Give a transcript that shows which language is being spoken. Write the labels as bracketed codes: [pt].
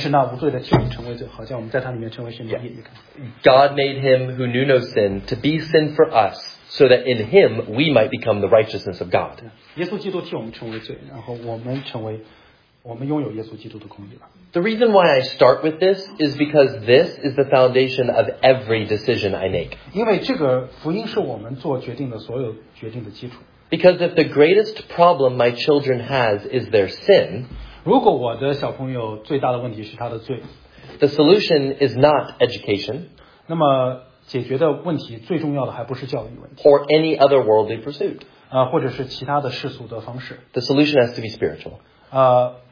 [zh] 哥林多前书五章三十一节，五章二十一节，神使那无罪的替我们成为罪，好叫我们在他里面成为神的义。 [en] God made him who knew no sin to be sin for us, so that in him we might become the righteousness of God. [zh] 耶稣基督替我们成为罪，然后我们拥有耶稣基督的公义了。 [en] The reason why I start with this is because this is the foundation of every decision I make. [zh] 因为这个福音是我们做决定的所有决定的基础。 [en] Because if the greatest problem my children has is their sin, [zh] 如果我的小朋友最大的问题是他的罪, [en] the solution is not education, [zh] 那么解决的问题最重要的还不是教育问题, [en] or any other worldly pursuit. [zh] 或者是其他的世俗的方式。 [en] The solution has to be spiritual.